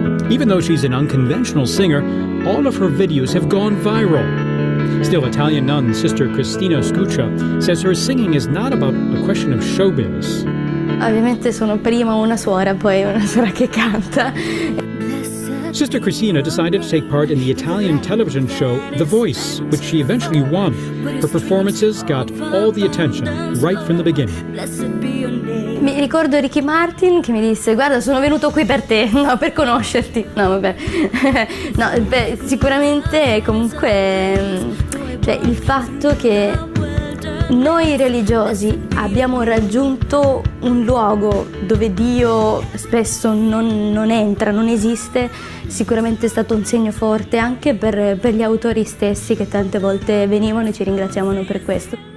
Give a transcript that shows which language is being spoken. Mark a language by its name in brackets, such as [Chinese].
[English] Even though she's an unconventional singer, all of her videos have gone viral. Still, Italian nun Sister Cristina Scuccia says her singing is not about a question of showbiz. [Italian] Ovviamente sono prima una suora, poi una suora che canta. [English] Sister Cristina decided to take part in the Italian television show The Voice, which she eventually won. Her performances got all the attention right from the beginning. [Italian] Mi ricordo Ricky Martin che mi disse: "Guarda, sono venuto qui per te, no, per conoscerti." No, vabbè. No, beh, sicuramente comunque, cioè, il fatto che noi religiosi abbiamo raggiunto un luogo dove Dio spesso non entra, non esiste, sicuramente è stato un segno forte anche per gli autori stessi che tante volte venivano e ci ringraziavano per questo.